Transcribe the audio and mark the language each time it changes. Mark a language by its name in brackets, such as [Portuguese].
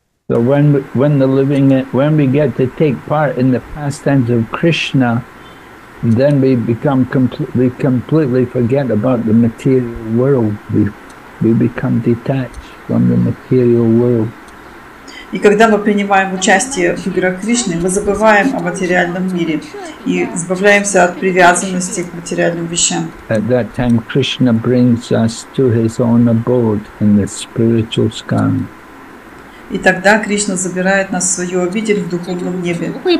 [English] So when we get to take part in the pastimes of Krishna, then we become completely forget about the material world. We become detached from the material world. [Russian] И когда мы принимаем участие в играх Кришны, мы забываем о материальном мире и избавляемся от привязанности к материальным вещам. [English] At that time, Krishna brings us to his own abode in the spiritual sky. [Russian] И тогда Кришна забирает нас в свою обитель в духовном небе.